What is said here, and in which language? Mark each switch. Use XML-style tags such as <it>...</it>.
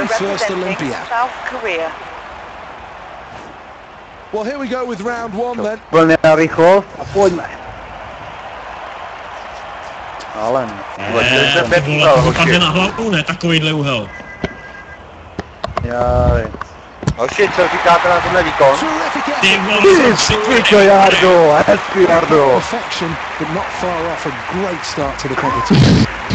<en>representing South Korea. Well, here we go with round one then.</en> <cs>Plně na rychlost a pojďme. Ale ne. Ne, vole, tam jde na hlavu, ne takovýhle úhel. Jaj. Hoši, co říkáte na tenhle výkon? Ty vole, Sviko Jardo, hezky Jardo.</cs> <en>Perfection, but not far off a great start to the competition.</en>